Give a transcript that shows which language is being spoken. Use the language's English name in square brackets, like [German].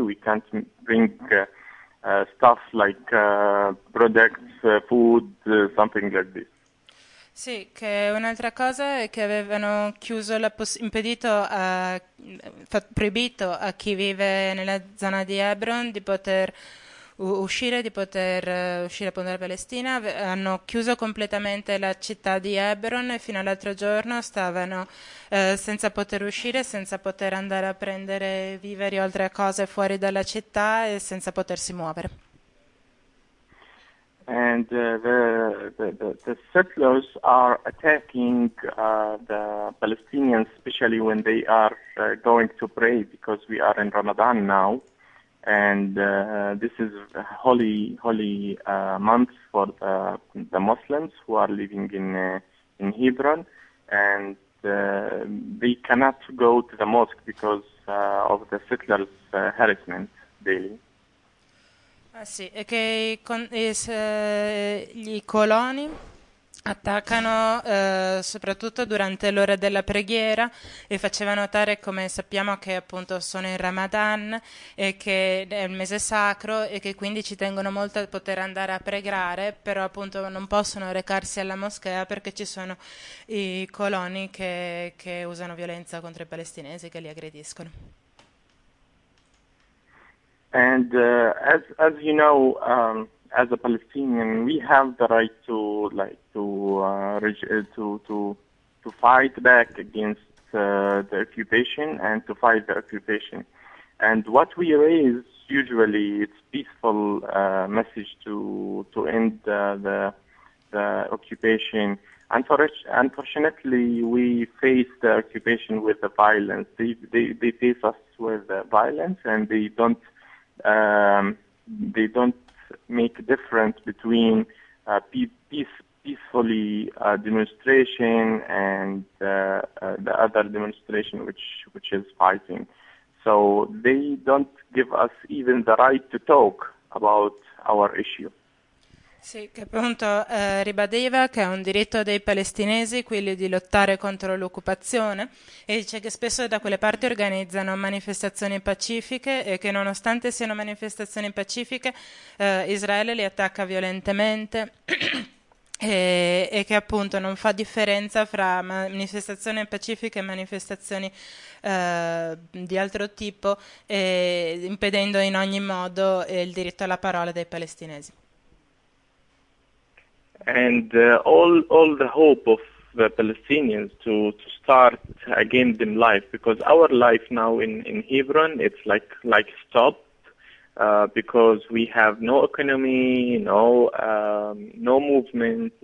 [English] We can't bring stuff like products, food, something like this. [Italian] Sì, che un'altra cosa è che avevano chiuso impedito, proibito a chi vive nella zona di Hebron di poter uscire, di poter uscire appunto dalla Palestina. Hanno chiuso completamente la città di Hebron e fino all'altro giorno stavano senza poter uscire, senza poter andare a prendere viveri o altre cose fuori dalla città e senza potersi muovere. [English] And the settlers are attacking the Palestinians, especially when they are going to pray, because we are in Ramadan now, and this is a holy month for the Muslims who are living in Hebron, and they cannot go to the mosque because of the settlers' harassment daily. [Italian] Ah, sì, è che i coloni attaccano soprattutto durante l'ora della preghiera e faceva notare come sappiamo che appunto sono in Ramadan e che è il mese sacro e che quindi ci tengono molto a poter andare a pregare, però appunto non possono recarsi alla moschea perché ci sono i coloni che usano violenza contro i palestinesi che li aggrediscono. [English] And as you know, as a Palestinian, we have the right to like to fight back against the occupation and to fight the occupation. And what we raise usually it's peaceful message to end the occupation. Unfortunately, we face the occupation with the violence. They face us with the violence, and they don't make difference between peacefully demonstration and the other demonstration which is fighting. So they don't give us even the right to talk about our issue. [Italian] Sì, che appunto ribadiva che è un diritto dei palestinesi quello di lottare contro l'occupazione e dice che spesso da quelle parti organizzano manifestazioni pacifiche e che nonostante siano manifestazioni pacifiche Israele li attacca violentemente e che appunto non fa differenza fra manifestazioni pacifiche e manifestazioni di altro tipo e impedendo in ogni modo il diritto alla parola dei palestinesi. [English] And all the hope of the Palestinians to start again in life, because our life now in Hebron, it's like stopped, because we have no economy, no movement.